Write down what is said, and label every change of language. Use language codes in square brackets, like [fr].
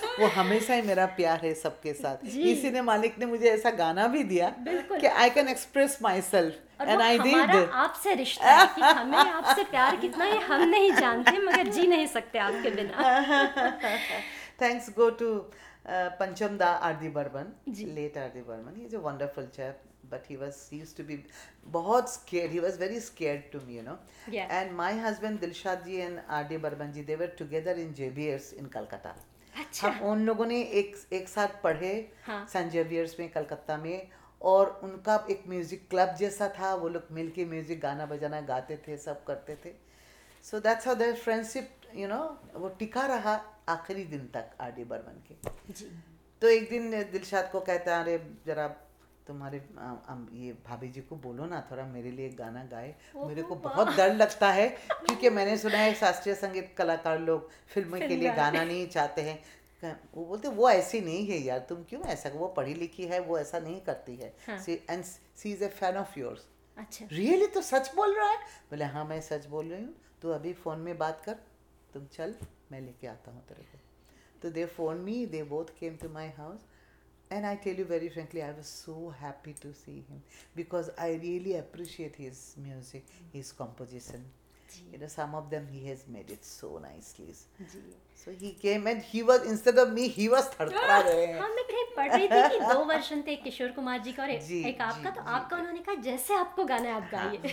[hi] वो हमेशा ही मेरा प्यार है सबके साथ, इसी ने मालिक ने मुझे ऐसा गाना भी दिया कि [en] I can express myself and I did. [hi] आपसे रिश्ता है कि हमें आपसे प्यार कितना है हम नहीं जानते, मगर जी नहीं सकते आपके बिना. [en] Thanks go to Pancham da R D Burman, late R D Burman, he is a wonderful chap. But he was used to be [hi] bahut [en] scared, he was very scared to me, you know. Yeah. And my husband Dilshad ji and R.D. Barman ji, they were together in JBS in Calcutta. [hi] Achha. हम उन लोगों ने एक साथ पढ़े Saint Xavier's में कलकत्ता में, और उनका एक म्यूजिक क्लब जैसा था, वो लोग मिलके म्यूजिक गाना बजाना गाते थे, सब करते थे. [en] so that's how their friendship you know [hi] वो टिका रहा आखिरी दिन तक R.D. Barman के. तो एक दिन दिलशाद को कहता है, अरे जरा तुम्हारे ये भाभी जी को बोलो ना थोड़ा मेरे लिए गाना गाए, मेरे को बहुत डर लगता है क्योंकि मैंने सुना है शास्त्रीय संगीत कलाकार लोग फिल्म के लिए गाना नहीं चाहते हैं. वो बोलते वो ऐसी नहीं है यार, तुम क्यों ऐसा, वो पढ़ी लिखी है, वो ऐसा नहीं करती है. [en] She is a fan of yours. [hi] अच्छा, रियली तो सच बोल रहा है? बोले हाँ मैं सच बोल रही हूँ, तू अभी फ़ोन में बात कर, तुम चल मैं लेके आता हूँ तेरे को. [en] तो they phone me, they both came to my house. And I tell you very frankly, I was so happy to see him because I really appreciate his music, his composition. [hi] Jee. [en] You know, some of them he has made it so nicely. [hi] Jee. [en] So he came and he was, instead of me, he was [hi] thadthara rahe. हाँ, मैं कहीं पढ़ रही थी कि दो वर्षन थे किशोर कुमार जी का और एक आपका, तो आपका उन्होंने कहा जैसे आपको गाना आप गाइए.